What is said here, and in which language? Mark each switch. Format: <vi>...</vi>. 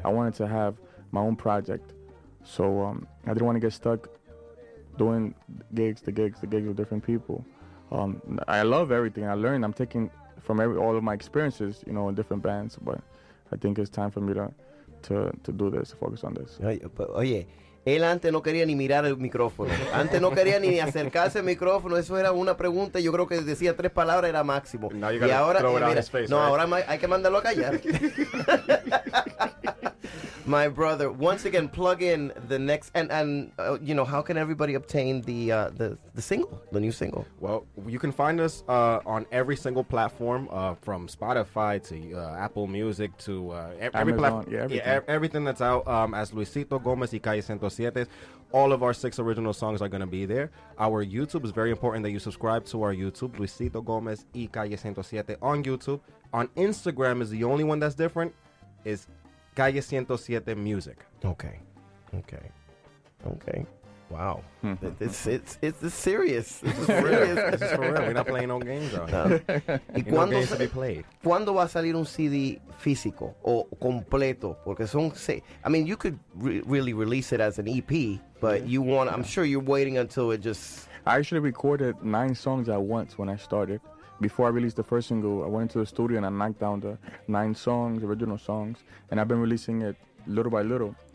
<en>I wanted to have my own project. So I didn't want to get stuck doing the gigs with different people. I love everything. I learned. I'm taking from all of my experiences, you know, in different bands, but I think it's time for me to do this, to focus on this.</en> <es>Oye, él antes no quería ni mirar el micrófono. Antes no quería ni acercarse al micrófono. Eso era una pregunta. Yo creo que decía 3 palabras era máximo. Y ahora, mira, face, no,</es> <en>right?</en> <es>Ahora hay que mandarlo a callar.</es> <en>My brother, once again, plug in the next, you know, how can everybody obtain the new single? Well, you can find us on every single platform, from Spotify to Apple Music to every platform. Yeah, everything. Everything that's out, as Luisito Gomez y Calle 107, all of our 6 original songs are going to be there. Our YouTube is very important that you subscribe to our YouTube, Luisito Gomez y Calle 107 on YouTube. On Instagram is the only one that's different, is Calle 107 Music. Okay. Wow. It's serious. This is for real. We're not playing no games out here. No games to be played.</en> <es>¿Cuándo va a salir un CD físico o completo? Porque son</es> <en>you could really release it as an EP, but I'm sure you're waiting until it just... I actually recorded 9 songs at once when I started. Before I released the first single, I went into the studio and I knocked down the 9 songs, original songs, and I've been releasing it little by little.</en>